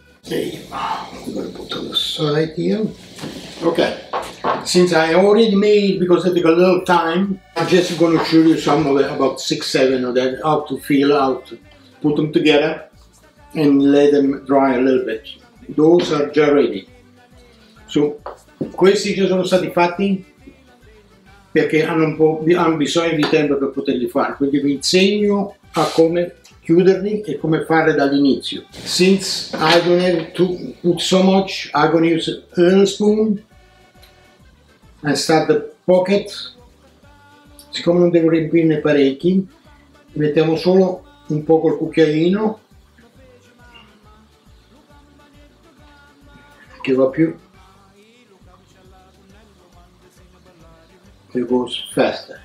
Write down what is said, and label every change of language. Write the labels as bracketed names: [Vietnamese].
[English] I'm gonna put the sauce right here. Okay, since I already made, because I took a little time, I'm just gonna show you some of it, about 6-7 of that, how to fill, how to put them together and let them dry a little bit. Those are [Italian] già [English] ready. [Italian] So, questi già sono stati fatti perché hanno un po', hanno bisogno di tempo per poterli fare, quindi vi insegno a come chiuderli e come fare dall'inizio. [English] Since I don't have to put so much, I'm going to use a little spoon and start the pocket. [Italian] Siccome non devo riempirne parecchi, mettiamo solo un po' col cucchiaino, che va più, [English] it goes faster.